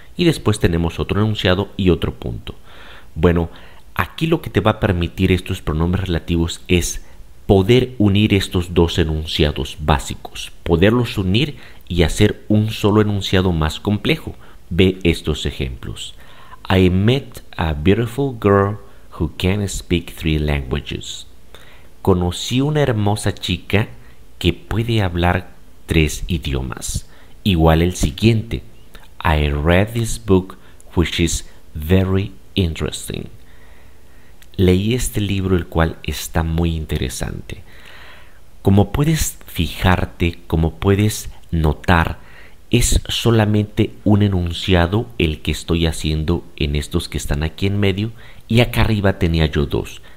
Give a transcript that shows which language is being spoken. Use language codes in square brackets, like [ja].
[es] Y después tenemos otro enunciado y otro punto. Bueno, aquí lo que te va a permitir estos pronombres relativos es poder unir estos dos enunciados básicos. Poderlos unir y hacer un solo enunciado más complejo. Ve estos ejemplos. [en] I met a beautiful girl who can speak three languages. [es] Conocí una hermosa chica que puede hablar tres idiomas. Igual el siguiente. [en] I read this book which is very interesting. [es] Leí este libro el cual está muy interesante. Como puedes fijarte, como puedes notar, es solamente un enunciado el que estoy haciendo en estos que están aquí en medio y acá arriba tenía yo dos.